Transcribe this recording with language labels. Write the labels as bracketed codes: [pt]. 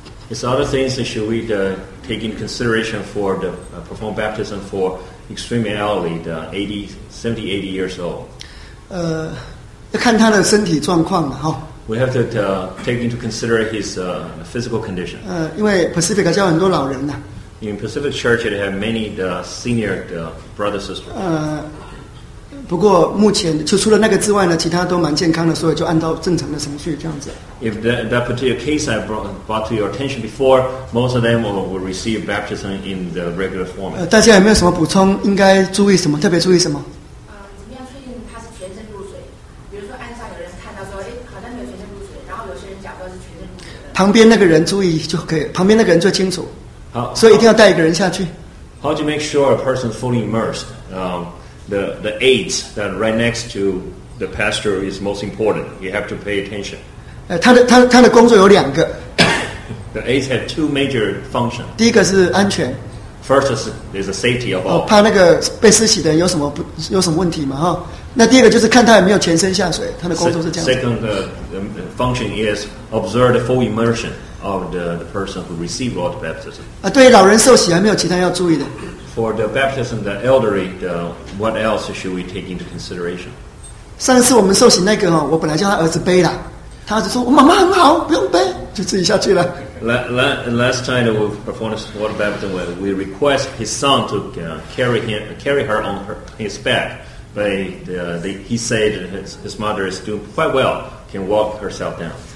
[en] It's other things that should we take in consideration for the perform baptism for extremely elderly, the 70, 80 years old. [zh] 要看他的身体状况嘛，哈。 [en] We have to take into consider his physical condition. [zh] 因为 Pacific 教很多老人呐。 [en] In Pacific Church, it have many the senior the brothers and sisters. [zh] 不过目前就除了那个之外呢，其他都蛮健康的，所以就按照正常的程序这样子。 [en] If that particular case I brought to your attention before, most of them will receive baptism in the regular form. [zh] 大家有没有什么补充？应该注意什么？特别注意什么？怎么样确定他是全身入水？比如说岸上有人看到说，哎，好像没有全身入水，然后有些人假装是全身入水。旁边那个人注意就可以，旁边那个人最清楚。所以一定要带一个人下去。 [en] How do you make sure a person fully immersed? The aides that are right next to the pastor is most important. You have to pay attention. [zh] 他的工作有两个。 [en] The aides have two major functions. [zh] 第一个是安全。 [en] First is the safety of all. [zh] 怕那个被施洗的人有什么问题嘛哈？那第二个就是看他有没有全身下水。他的工作是这样。 [en] Second, the function is observe the full immersion of the person who received water baptism. [zh] 对于老人受洗还没有其他要注意的。 [en] For the baptism, the elderly, what else should we take into consideration? [zh] 上次我们受洗那个哦，我本来叫他儿子背啦，他儿子说我妈妈很好，不用背，就自己下去了。 [en] Last time we performed water baptism, we request his son to carry her on his back, but he said his mother is doing quite well, can walk herself down.